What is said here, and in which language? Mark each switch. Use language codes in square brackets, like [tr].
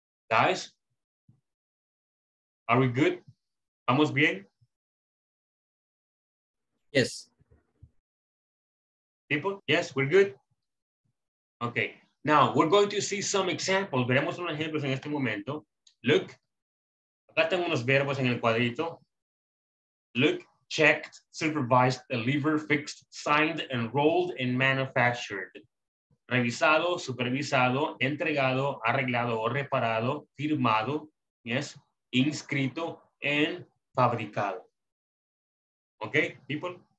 [en] Guys, are we good? [es] ¿Estamos bien? [en] Yes. People, yes, we're good. Okay, now we're going to see some examples. [es] Veremos unos ejemplos en este momento. Look, acá tengo unos verbos en el cuadrito. [en] Look, checked, supervised, delivered, fixed, signed, enrolled, and manufactured. [es] Revisado, supervisado, entregado, arreglado o reparado, firmado, yes, inscrito en fabricado. [en] Okay, people.